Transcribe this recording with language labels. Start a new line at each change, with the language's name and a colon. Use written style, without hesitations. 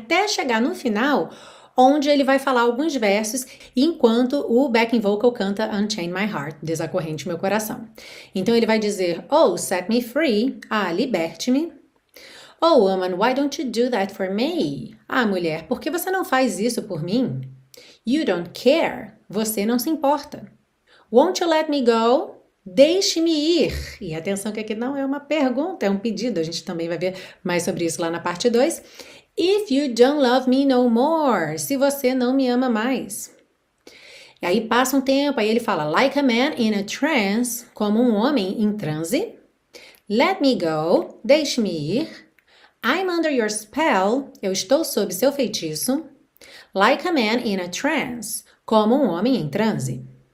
Portuguese: Até chegar no final, onde ele vai falar alguns versos enquanto o backing vocal canta Unchain My Heart, desacorrente meu coração. Então ele vai dizer,
English: oh, set me free,
Portuguese: ah, liberte-me.
English: Oh, woman, why don't you do that for me?
Portuguese: Ah, mulher, por que você não faz isso por mim?
English: You don't care.
Portuguese: Você não se importa.
English: Won't you let me go?
Portuguese: Deixe-me ir. E atenção que aqui não é uma pergunta, é um pedido. A gente também vai ver mais sobre isso lá na parte 2.
English: If you don't love me no more.
Portuguese: Se você não me ama mais. E aí passa um tempo, aí ele fala,
English: like a man in a trance,
Portuguese: como um homem em transe.
English: Let me go.
Portuguese: Deixe-me ir.
English: I'm under your spell,
Portuguese: eu estou sob seu feitiço,
English: like a man in a trance,
Portuguese: como um homem em transe.